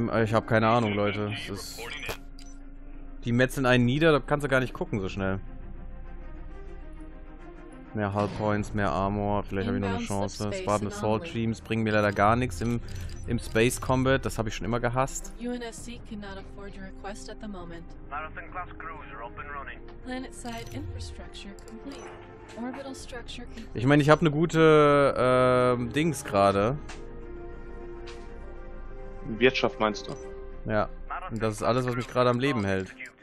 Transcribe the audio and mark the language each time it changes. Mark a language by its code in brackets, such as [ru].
[de] Ich habe keine Ahnung, Leute. Es ist, die metzeln einen nieder, da kannst du gar nicht gucken so schnell. Mehr Hull Points, mehr Armor, vielleicht habe ich noch eine Chance. Spartan Assault Dreams bringen mir leider gar nichts im Space Combat, das habe ich schon immer gehasst. [en] UNSC cannot afford your request at the moment. Marathon Class Cruiser up and running. Planet Side Infrastructure complete. Orbital Structure complete. [de] Ich meine, ich habe eine gute Dings gerade. Wirtschaft meinst du? Ja, und das ist alles, was mich gerade am Leben hält.